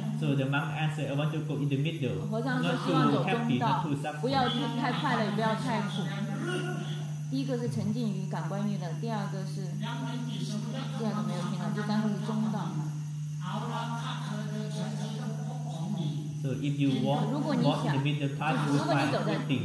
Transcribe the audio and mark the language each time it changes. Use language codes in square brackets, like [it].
[en] So the monk answered, "I want to go in the middle, not too happy, not too suffering. [zh] 不要太快乐，也不要太苦。第一个是沉浸于感官娱乐，第二个是，第二个没有听到，第三个是中道。 [en] So if you walk in the middle path, you will find everything.